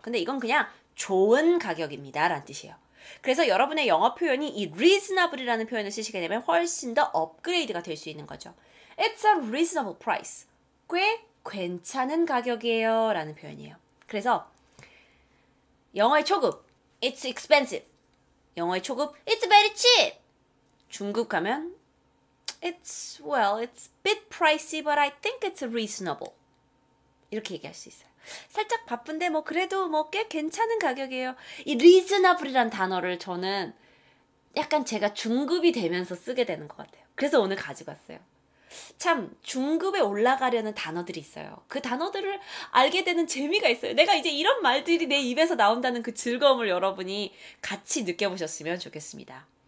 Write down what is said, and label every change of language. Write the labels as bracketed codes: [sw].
[ko] 근데 이건 그냥 좋은 가격입니다. 라는 뜻이에요. 그래서 여러분의 영어 표현이 이 reasonable이라는 표현을 쓰시게 되면 훨씬 더 업그레이드가 될수 있는 거죠. [en] It's a reasonable price. [ko] 꽤 괜찮은 가격이에요. 라는 표현이에요. 그래서 영어의 초급, [en] it's expensive. [ko] 영어의 초급, [en] it's very cheap. [ko] 중국 가면 [en] it's a bit pricey, but I think it's reasonable. [ko] 이렇게 얘기할 수 있어요. 살짝 바쁜데 뭐 그래도 뭐꽤 괜찮은 가격이에요. 이 reasonable이란 단어를 저는 약간 제가 중급이 되면서 쓰게 되는 것 같아요. 그래서 오늘 가지고 왔어요. 참 중급에 올라가려는 단어들이 있어요. 그 단어들을 알게 되는 재미가 있어요. 내가 이제 이런 말들이 내 입에서 나온다는 그 즐거움을 여러분이 같이 느껴보셨으면 좋겠습니다.